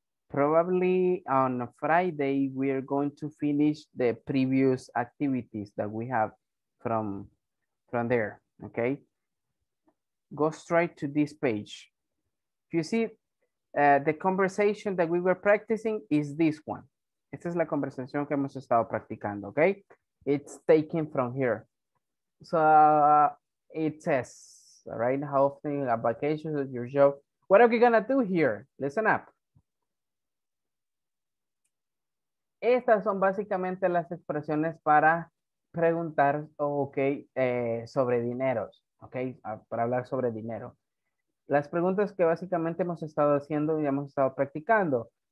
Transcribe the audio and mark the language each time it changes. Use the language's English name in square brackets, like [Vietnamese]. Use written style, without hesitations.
[English] Probably on Friday, we are going to finish the previous activities that we have from there, okay? Go straight to this page. If you see, the conversation that we were practicing is this one. [Spanish] Esta es la conversación que hemos estado practicando, okay? [English] It's taken from here. So it says, all right, how often a vacation is your job? What are we gonna do here? Listen up. [Spanish] Estas son básicamente las expresiones para preguntar, okay, sobre dineros, okay, para hablar sobre dinero. Las preguntas que básicamente hemos estado haciendo y hemos estado practicando.